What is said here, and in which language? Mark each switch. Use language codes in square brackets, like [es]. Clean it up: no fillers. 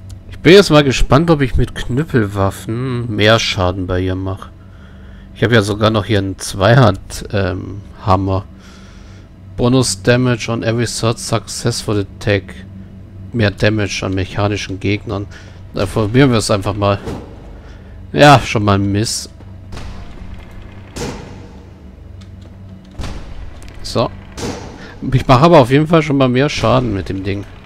[de] Ich bin jetzt mal gespannt, ob ich mit Knüppelwaffen mehr Schaden bei ihr mache. Ich habe ja sogar noch hier einen Zweihand-Hammer. [en] Bonus Damage on every third successful attack. [de] Mehr Damage an mechanischen Gegnern. Da probieren wir es einfach mal. Ja, schon mal ein Miss. So. Ich mache aber auf jeden Fall schon mal mehr Schaden mit dem Ding.